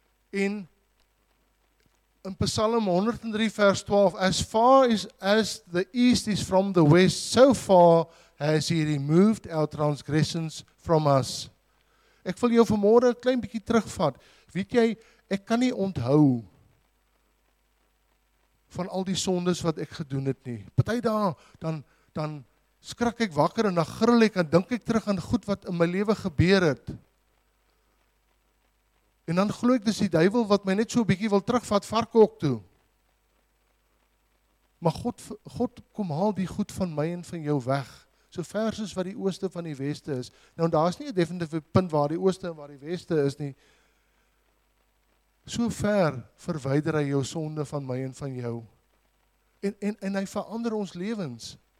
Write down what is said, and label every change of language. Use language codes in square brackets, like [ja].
[af] En in Psalm 103 vers 12, [en] as far as the east is from the west, so far has he removed our transgressions from us. [af] Ek wil jou vanmôre 'n klein bietjie terugvat. Weet jy, ek kan nie onthou van al die sondes wat ek gedoen het nie. Party dae dan skrik ek wakker en dan gril ek en dink ek terug aan goed wat in my lewe gebeur het. En dan glo ek dis die duiwel wat my net so 'n bietjie wil terugvat varkhok toe. Maar God kom haal die goed van my en van jou weg. So ver soos wat die ooste van die weste is. Nou daar is nie 'n definitiewe punt waar die ooste en waar die weste is nie. So ver verwyder hy jou sonde van my en van jou. En hy verander ons lewens.